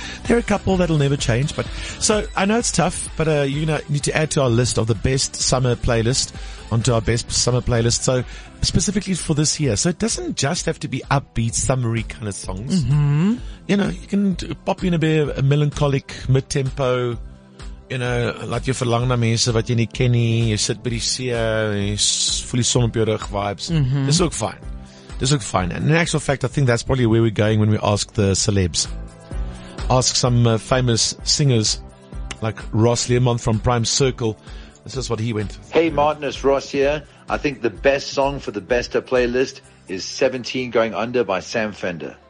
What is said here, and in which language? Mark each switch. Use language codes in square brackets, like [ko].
[en] There are a couple that'll never change, but so I know it's tough, but you know, need to add to our list of the best summer playlist onto our best summer playlist. So specifically for this year. So it doesn't just have to be upbeat, summery kind of songs. Mm-hmm. You know, you can pop in a bit of a melancholic mid-tempo. You know, like your [af] verlang na mense wat jy nie ken nie, jy sit by die see, jy voel die son op jou rug vibes. Mm-hmm. Dis ook fine. Dis ook fine. [en] And in actual fact, I think that's probably where we're going when we ask the celebs. Ask some famous singers, like Ross Learmonth from Prime Circle. This is what he went through. Hey Martin, it's Ross here. I think the best song for the best of playlist is 17 Going Under by Sam Fender.